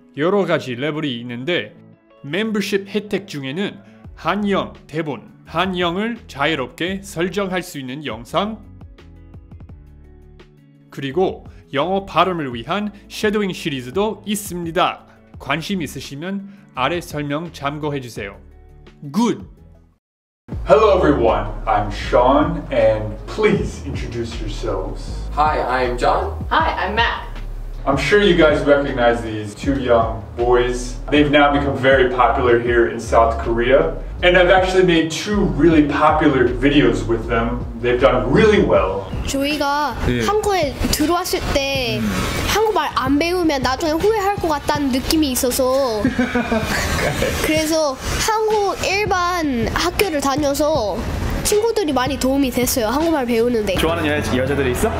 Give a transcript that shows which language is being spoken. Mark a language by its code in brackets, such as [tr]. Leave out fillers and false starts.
[ko] 여러 가지 레벨이 있는데 멤버십 혜택 중에는 한영 대본, 한영을 자유롭게 설정할 수 있는 영상 그리고 영어 발음을 위한 쉐도잉 시리즈도 있습니다. 관심 있으시면 아래 설명 참고해주세요. [en] Good! Hello everyone, I'm Sean, and please introduce yourselves. Hi, I'm John. Hi, I'm Matt. I'm sure you guys recognize these two young boys. They've now become very popular here in South Korea, and I've actually made two really popular videos with them. They've done really well. [ko] 저희가 네. 한국에 들어왔을 때 한국말 안 배우면 나중에 후회할 것 같다는 느낌이 있어서 그래서 한국 일반 학교를 다녀서 친구들이 많이 도움이 됐어요, 한국말 배우는데 좋아하는 여자들이 있어?